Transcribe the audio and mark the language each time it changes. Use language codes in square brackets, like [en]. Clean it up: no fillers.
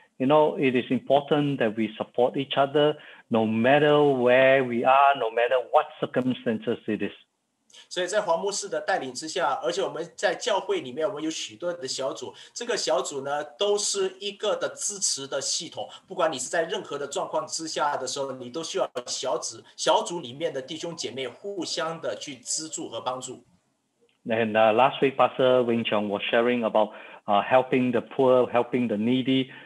[en] You know, it is important that we support each other no matter where we are, no matter what circumstances it is. [zh] 所以在黄牧师的带领之下，而且我们在教会里面，我们有许多的小组。这个小组呢，都是一个的支持的系统。不管你是在任何的状况之下的时候，你都需要小组里面的弟兄姐妹互相的去资助和帮助。 [en] And last week, Pastor Wing Chong was sharing about helping the poor, helping the needy.